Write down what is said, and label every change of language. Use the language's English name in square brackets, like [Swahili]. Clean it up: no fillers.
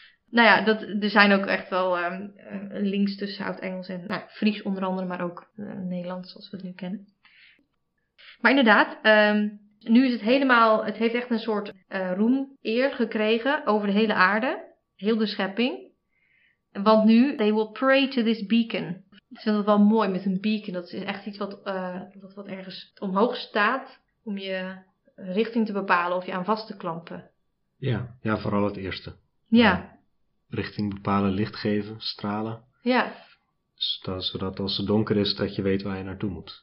[Dutch] Nou ja, er zijn ook echt wel links tussen Oud-Engels en Fries onder andere. Maar ook Nederlands, zoals we het nu kennen. Maar inderdaad, nu is het helemaal, het heeft echt een soort roem, eer gekregen over de hele aarde. Heel de schepping. Want nu, [English] they will pray to this beacon. [Dutch] Ik vind dat wel mooi met een beacon. Dat is echt iets wat ergens omhoog staat om je richting te bepalen of je aan vast te klampen. Ja, ja, vooral het eerste. Ja. Richting bepalen, licht geven, stralen. Ja. Zodat als het donker is, dat je weet waar je naartoe moet.